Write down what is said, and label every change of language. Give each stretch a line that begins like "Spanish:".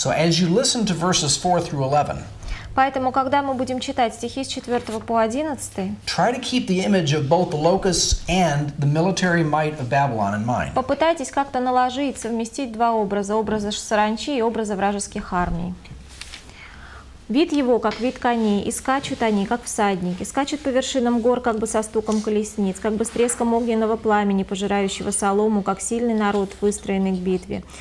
English: So as you listen to verses 4 through 11,
Russian: поэтому, когда мы будем читать стихи с 4 по 11,
English: try to keep the image of both the locusts and the military might of Babylon in mind.
Russian: Попытайтесь как-то наложить, совместить два образа, образа саранчи и образа вражеских армий. «Вид его, как вид коней, и скачут они, как всадники, скачут по вершинам гор, как бы со стуком колесниц, как бы с треском огненного пламени, пожирающего солому, как сильный народ, выстроенный к битве.